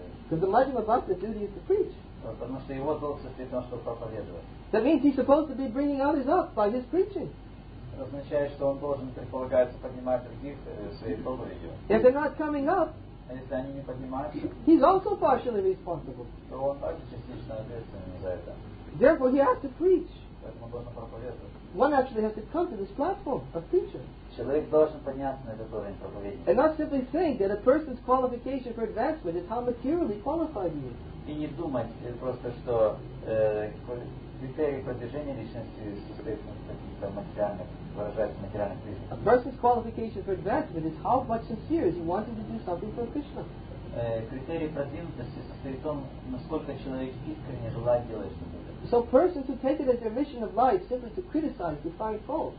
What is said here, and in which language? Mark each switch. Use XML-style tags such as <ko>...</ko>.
<en>Because the Madhyama Bhakta's duty is to preach.</en> <ru>Потому что его долг состоит в том, чтобы проповедовать.</ru> <en>That means he's supposed to be bringing others up by his preaching.</en> <ru>Это означает, что он должен предполагаться поднимать других своей проповедью.</ru> <en>If they're not coming up,</en> <ru>а если они не поднимаются,</ru> <en>he's also partially responsible.</en> <ru>То он также частично ответственен за это.</ru> <en>Therefore, he has to preach.</en> <ru>Поэтому он должен проповедовать.</ru> <en>One actually has to come to this platform of teacher.</en> <ru>Человек должен подняться на этот уровень проповедника.</ru> <en>And not simply think that a person's qualification for advancement is how materially qualified he is.</en> <ru>И не думать просто, что критерии продвижения личности состоит в каких-то материальных, выражается в материальных признаках.</ru> <en>A person's qualification for advancement is how much sincere is he wanting to do something for Krishna.</en> <ru>Критерии продвинутости состоит в том, насколько человек искренне желает делать что-то.</ru> <en>So persons who take it as their mission of life simply to criticize, to find fault.</en>